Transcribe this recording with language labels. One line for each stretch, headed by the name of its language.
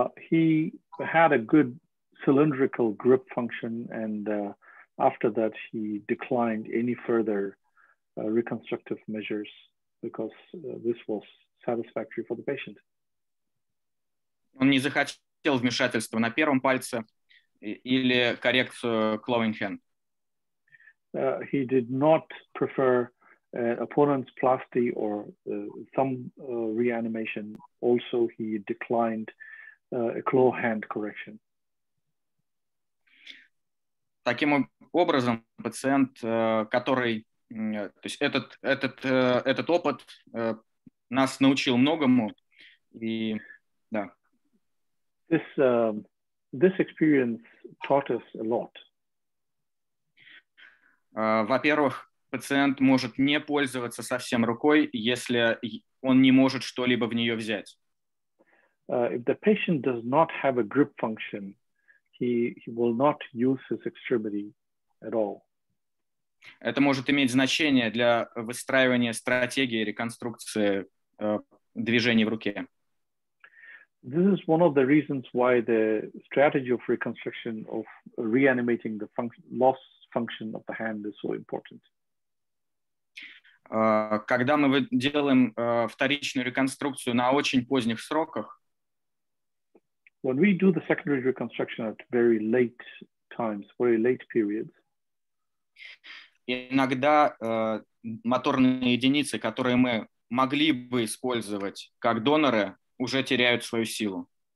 English: He had a good cylindrical grip function, and after that he declined any further reconstructive measures because this was satisfactory for the patient.
Russian: Он не захотел вмешательства на первом пальце или коррекцию
English: cloving hand. He did not prefer opponent's plasty or thumb reanimation. Also, he declined a claw hand correction.
Russian: Таким образом, пациент, который, то есть этот опыт нас научил многому, и да.
English: This experience taught us a lot.
Russian: Во-первых, пациент может не пользоваться совсем рукой, если он не может что-либо в нее взять.
English: If the patient does not have a grip function, he will not use his extremity at all.
Russian: Это может иметь значение для выстраивания стратегии реконструкции движений в руке.
English: This is one of the reasons why the strategy of reconstruction of reanimating the loss function of the hand is so important.
Russian: Когда мы делаем вторичную реконструкцию на очень поздних сроках,
English: when we do the secondary reconstruction at very late times, very late periods,
Russian: иногда моторные единицы, которые мы могли бы использовать как доноры, уже теряют свою силу.